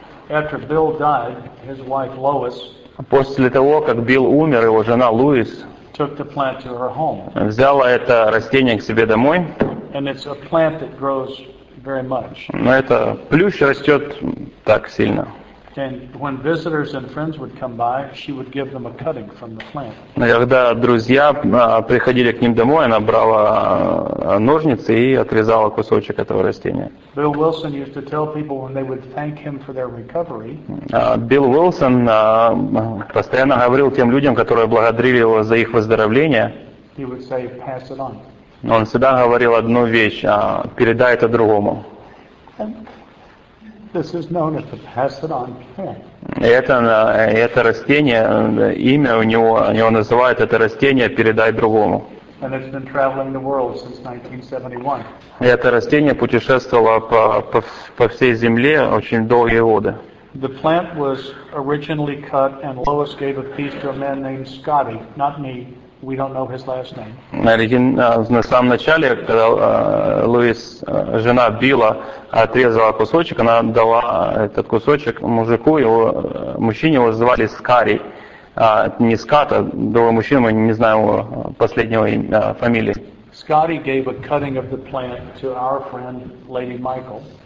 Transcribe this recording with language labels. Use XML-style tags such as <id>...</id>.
<en>After Bill died, his wife Lois.</en> <ru>После того, как Билл умер, его жена Луис.</ru> <en>Took the plant to her home.</en> <ru>Взяла это растение к себе домой.</ru> <en>And it's a plant that grows very much.</en> <ru>Но это плющ растет так сильно.</ru> <en>And when visitors and friends would come by, she would give them a cutting from the plant.</en> <ru>Когда друзья приходили к ним домой, она брала ножницы и отрезала кусочек этого растения.</ru> <en>Bill Wilson used to tell people when they would thank him for their recovery.</en> <ru>Bill Wilson постоянно говорил тем людям, которые благодарили его за их выздоровление.</ru> <en>He would say, "Pass it on."</en> <ru>Он всегда говорил одну вещь: передай это другому.</ru> <en>This is known as the pass it on plant.</en> <ru>Это растение, имя у него, его называют это растение передай другому.</ru> <en>And it's been traveling the world since 1971.</en> <ru>Это растение путешествовало по всей земле очень долгие годы.</ru> <en>The plant was originally cut and Lois gave a piece to a man named Scotty, not me. We don't know his last name.</en> <ru>На самом начале, когда Луис, жена Билла, отрезала кусочек, она дала этот кусочек мужику, мужчине его звали Скари, не Ската, другой мужчина, мы не знаем его последнего фамилии.</ru> <en>Scotty gave a cutting of the plant to our friend Lady Michael.</en>